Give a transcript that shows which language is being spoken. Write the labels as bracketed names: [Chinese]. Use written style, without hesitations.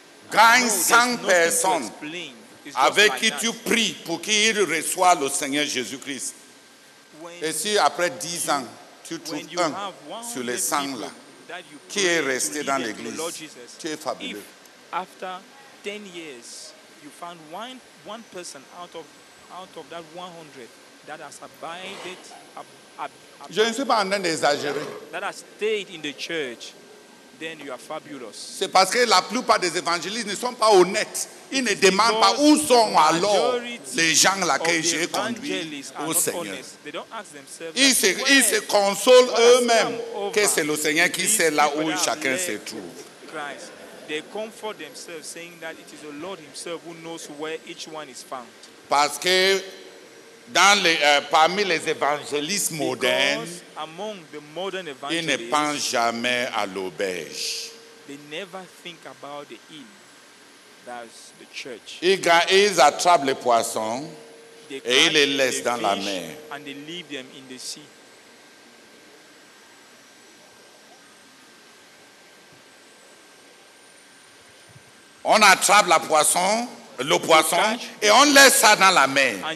[French] Gagne 100 personnes avec qui tu pries pour qu'ils reçoivent le Seigneur Jésus-Christ. Et si après 10 ans, tu trouves un sur les 100 là qui est resté dans l'église, tu es fabuleux. [English] After 10 years, you found one person out of that 100 that has abided. [French] Je ne suis pas en train d'exagérer. [English] That has stayed in the church. Then you are fabulous. [French] C'est parce que la plupart des évangélistes ne sont pas honnêtes. Ils ne demandent pas où sont alors les gens là que j'ai conduits au Seigneur. Ils se consolent eux-mêmes que c'est le Seigneur qui sait là où chacun se trouve. [English] Christ. They comfort themselves saying that it is the Lord himself who knows where each one is found. [French] Parce que dans les, parmi les évangélistes modernes, [English] among the modern evangelists, [French] ils ne pensent jamais à l'auberge. [English] They never think about the inn, that's the church. [French] Ils attrapent les poissons et ils les laissent dans la mer. [English] And they leave them in the sea. [French] On attrape la poisson, le poisson, et on laisse ça dans la mer.